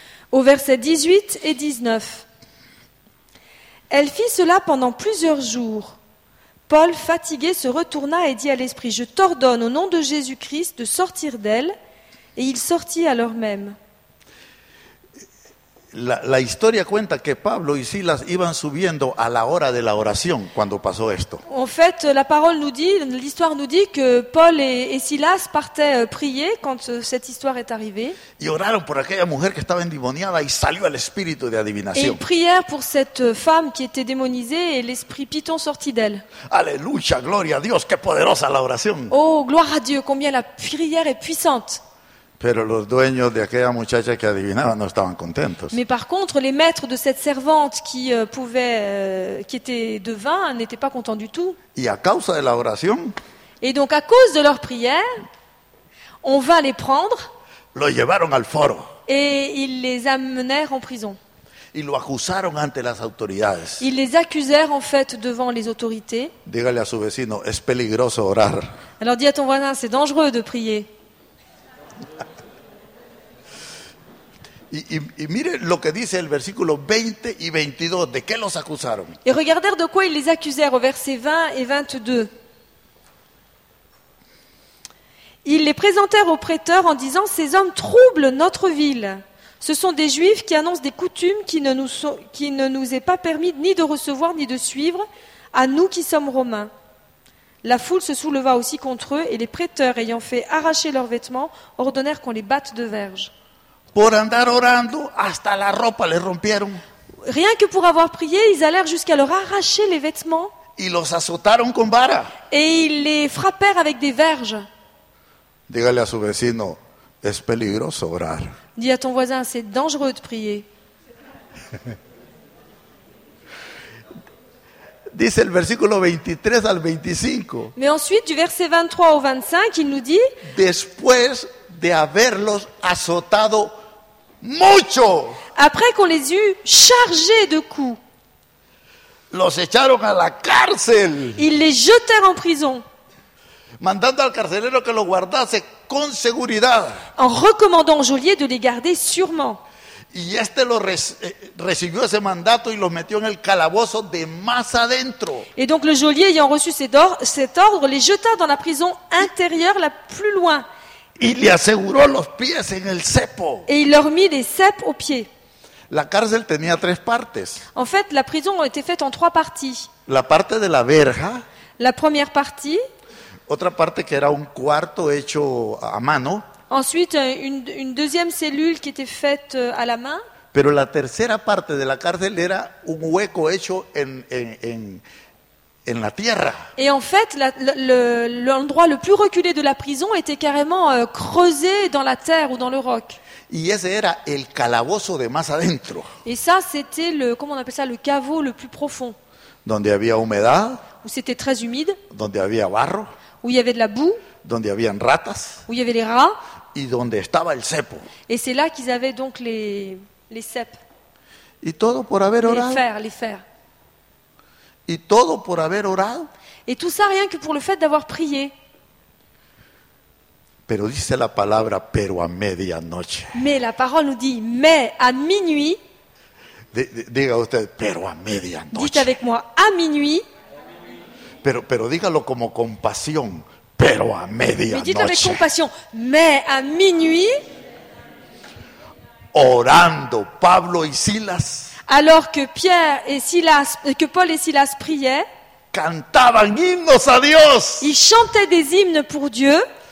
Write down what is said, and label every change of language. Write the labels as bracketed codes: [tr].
[fr] Au verset 18 et 19. Elle fit cela pendant plusieurs jours. Paul, fatigué, se retourna et dit à l'esprit : Je t'ordonne au nom de Jésus-Christ de sortir d'elle. Et il sortit à l'heure même. [es] La historia cuenta que Pablo y Silas iban subiendo a la hora de la oración cuando pasó esto. [fr] En fait, la parole nous dit, l'histoire nous dit que Paul et Silas partaient prier quand cette histoire est arrivée. [es] Y oraron por aquella mujer que estaba endemoniada y salió el espíritu de adivinación. [fr] Et ils prièrent pour cette femme qui était démonisée et l'esprit Python sortit d'elle. [es] Aleluya, gloria a Dios, qué poderosa la oración. [fr] Oh, gloire à Dieu, combien la prière est puissante. [es] Pero los dueños de aquella muchacha que adivinaba no estaban contentos. [fr] Mais par contre, les maîtres de cette servante qui était devin n'étaient pas contents du tout. [es] Y a causa de la oración. [fr] Et donc à cause de leur prière, on va les prendre. [es] Lo llevaron al foro. [fr] Et ils les amenèrent en prison. [es] Y lo acusaron ante las autoridades. [fr] Ils les accusèrent en fait devant les autorités. [es] Dígale a su vecino, es peligroso orar. [fr] Alors dis à ton voisin, c'est dangereux de prier. [es] Y mire lo que dice el versículo 20 y 22, ¿de qué los acusaron? [fr] Et regardèrent de quoi ils les accusèrent au verset 20 et 22. Ils les présentèrent au prêteur en disant: ces hommes troublent notre ville. Ce sont des Juifs qui annoncent des coutumes qui ne nous est pas permis ni de recevoir ni de suivre à nous qui sommes Romains. La foule se souleva aussi contre eux et les prêteurs, ayant fait arracher leurs vêtements, ordonnèrent qu'on les batte de verges. [es] Por andar orando, hasta la ropa les rompieron. [fr] Rien que pour avoir prié, ils allèrent jusqu'à leur arracher les vêtements. [es] Y los azotaron con vara. [fr] Et ils les frappèrent avec des verges. [es] Dígale a su vecino, es peligroso orar. [fr] Dis à ton voisin, c'est dangereux de prier. [es] Dice el versículo 23 al 25. [fr] Mais ensuite, du verset 23 au 25, il nous dit: [es] después de haberlos azotado mucho. [fr] Après qu'on les eut chargés de coups. [es] Los echaron a la cárcel. [fr] Ils les jetèrent en prison. [es] Mandando al carcelero que los guardase con seguridad. [fr] En recommandant au geôlier de les garder sûrement. [es] Y este lo recibió ese mandato y lo metió en el calabozo de más adentro. [fr] Et donc le geôlier ayant reçu cet ordre les jeta dans la prison intérieure la plus loin. [es] Y le aseguró los pies en el cepo. [fr] Et il leur mit des cepes aux pieds. [es] La cárcel tenía tres partes. [fr] En fait, la prison était faite en trois parties. [es] La parte de la verja. [fr] La première partie. [es] Otra parte que era un cuarto hecho a mano. [fr] Ensuite, une deuxième cellule qui était faite à la main. [es] Pero la tercera parte de la cárcel era un hueco hecho en la tierra. [fr] Et en fait, l'endroit le plus reculé de la prison était carrément creusé dans la terre ou dans le roc. [es] Y ese era el calabozo de más adentro. [fr] Et ça, c'était le caveau le plus profond. [es] Donde había humedad. [fr] Où c'était très humide. [es] Donde había barro. [fr] Où il y avait de la boue. [es] Donde habían ratas. [fr] Où il y avait les rats. [es] Y donde estaba el cepo. [fr] Et c'est là qu'ils avaient donc les cepes. [es] Y todo por haber orado. [fr] Les fers. [es] Y todo por haber orado. [fr] Et tout ça rien que pour le fait d'avoir prié. [es] Pero dice la palabra, pero a medianoche. [fr] Mais la parole nous dit, mais à minuit. [es] Diga usted, pero a medianoche. [fr] Dites avec moi, à minuit. [es] pero dígalo como compasión, pero a medianoche. [fr] Mais dites avec compassion, mais à minuit. [es] Orando Pablo y Silas. [fr] Alors que Pierre et Silas, que Paul et Silas priaient. [es] Cantaban himnos a Dios. [fr] Ils chantaient des hymnes pour Dieu.